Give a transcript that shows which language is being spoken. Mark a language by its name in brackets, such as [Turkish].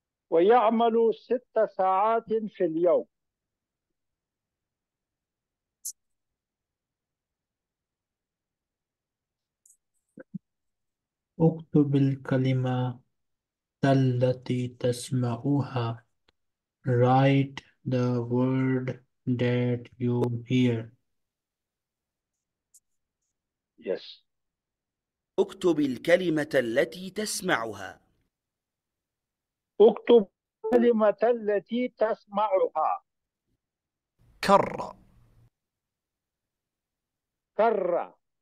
[Arabic] ويعمل 6 ساعات في اليوم. اكتب الكلمة التي تسمعها. [English] Write the word that you hear. Yes. [Arabic] اكتب الكلمة التي تسمعها. اكتب الكلمة التي تسمعها. كر. كر.